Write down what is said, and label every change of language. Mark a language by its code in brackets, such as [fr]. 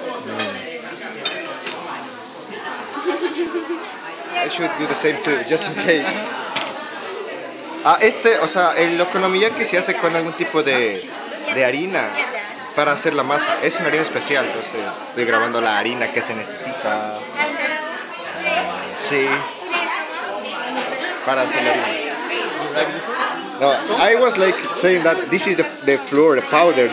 [en] I should do the same too, just in case. [es] Ah, este, o sea, el okonomiyaki se hace con algún tipo de harina para hacer la masa. Es una harina especial, entonces estoy grabando la harina que se necesita. Sí. Para no, [en] I was like saying that this is the flour, the powder.